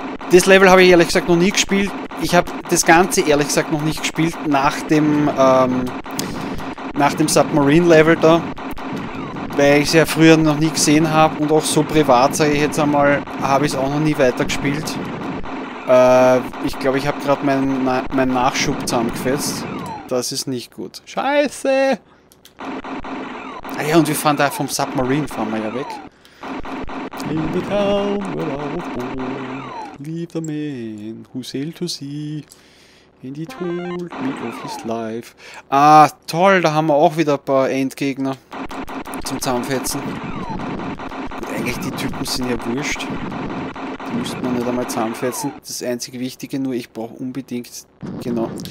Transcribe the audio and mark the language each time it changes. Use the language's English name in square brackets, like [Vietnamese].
[German] Das Level habe ich ehrlich gesagt noch nie gespielt. Ich habe das Ganze ehrlich gesagt noch nicht gespielt nach dem Submarine Level da, weil ich es ja früher noch nie gesehen habe und auch so privat, sage ich jetzt einmal, habe ich es auch noch nie weitergespielt. Ich glaube, ich habe gerade meinen Nachschub zusammengefetzt. Das ist nicht gut. Scheiße! Ah ja, und wir fahren da vom Submarine, fahren wir ja weg. [English] In the town where I was born, leave the man who sailed to sea. And he told me of his life. [German] Ah, toll, da haben wir auch wieder ein paar Endgegner zum Zahnfetzen. Eigentlich, die Typen sind ja wurscht. Die müsste man nicht einmal zahnfetzen. Das einzige Wichtige nur, ich brauche unbedingt, genau.